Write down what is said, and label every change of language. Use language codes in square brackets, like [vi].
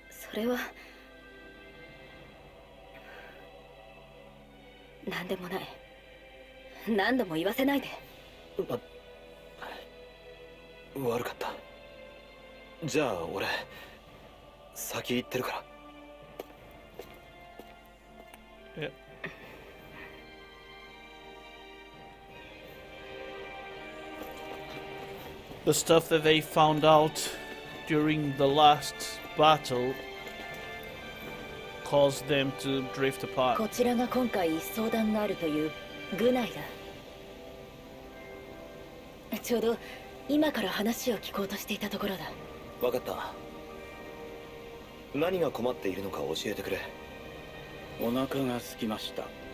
[ja] それは何でもない。何度も言わせないで。悪かった。じゃあ俺先行ってるから。 [en] え、The stuff that they found out during the last battle caused them to drift apart. [ja] こちらが今回相談があるというグナイだ。ちょうど今から話を聞こうとしていたところだ。わかった。何が困っているのか教えてくれ。お腹が空きました。